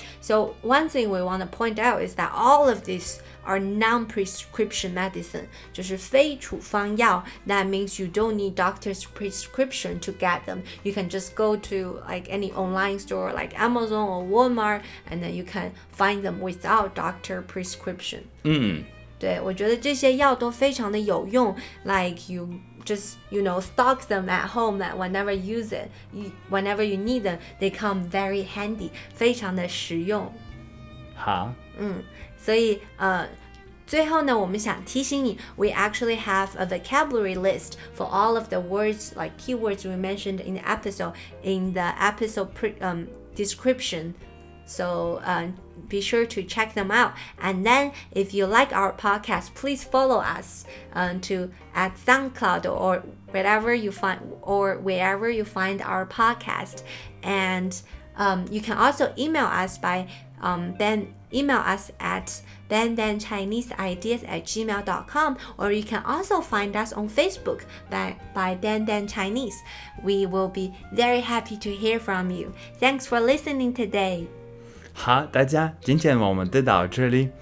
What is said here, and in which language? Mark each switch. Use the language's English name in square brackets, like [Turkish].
[English] So one thing we want to point out is that all of these are non-prescription medicine. [Chinese] 就是非处方药。 [English] That means you don't need doctor's prescription to get them. You can just go to like any online store like Amazon or Walmart and then you can find them without doctor prescription. [Chinese] 对，我觉得这些药都非常的有用。 [English] Like you... Just, you know, stock them at home that whenever you use it, whenever you need them, they come very handy, [Chinese] 非常的实用。好。所以最后呢我们想提醒你 [English] we actually have a vocabulary list for all of the words, like keywords we mentioned in the episode, in the episode description. So be sure to check them out. And then if you like our podcast, please follow us to at SoundCloud or wherever you find our podcast. And you can also email us by email us at benbenchineseideas@gmail.com or you can also find us on Facebook by benbenchinese. We will be very happy to hear from you. Thanks for listening today. [Chinese] 好，大家，今天我们就到这里，